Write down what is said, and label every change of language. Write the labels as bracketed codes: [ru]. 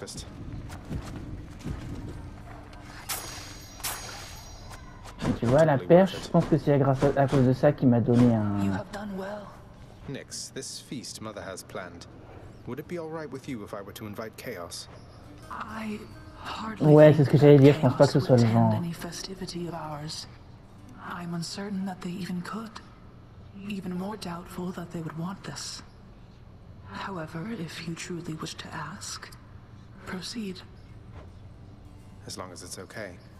[fr] Et tu vois, la perche, je pense que c'est à cause de ça qu'il m'a donné un. [en] Nix, this feast Mother has planned. Would it be all right with you if I were to invite Chaos? I. [fr] Ouais, c'est ce que j'allais dire, je pense pas que ce soit le genre. [en] I'm uncertain that they even could. Even more doubtful that they would want this. However, if you truly wish to ask, proceed. As long as it's okay.